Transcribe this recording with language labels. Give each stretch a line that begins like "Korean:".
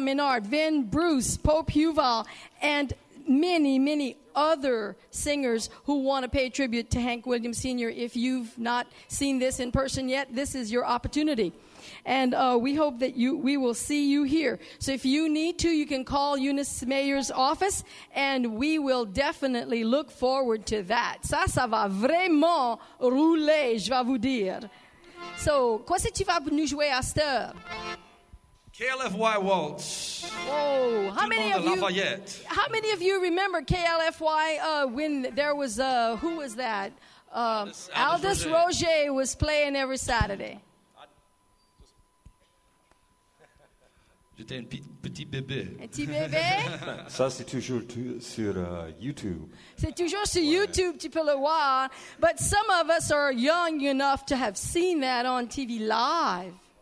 English: Menard, Vin Bruce, Pope Huval, and many, many other singers who want to pay tribute to Hank Williams Sr. If you've not seen this in person yet, this is your opportunity. And we hope that we will see you here. So if you need to, you can call Eunice Mayer's office, and we will definitely look forward to that.
French: Ça, ça va vraiment rouler, je vais vous dire. So, quoi c'est que tu vas nous jouer à cette heure?
English: KLFY Waltz. Whoa. How many of you remember KLFY when there was, who was that? Aldous Roger was playing every Saturday.
French: J'étais un petit bébé. Un petit bébé? Ça, c'est toujours sur YouTube. C'est toujours sur YouTube, tu peux le voir.
English: But some of us are young enough to have seen that on TV live.